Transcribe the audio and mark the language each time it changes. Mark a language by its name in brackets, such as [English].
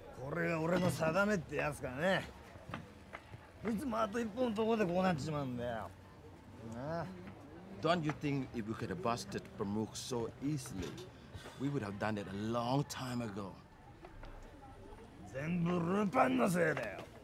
[Japanese] これが俺の定めってやつかね。いつもあと一歩のところでこうなっちまうんだよ。 [English] Don't you think if we could have busted Pramukh so easily, we would have done it a long time ago? [Japanese] 全部ルパンのせいだよ。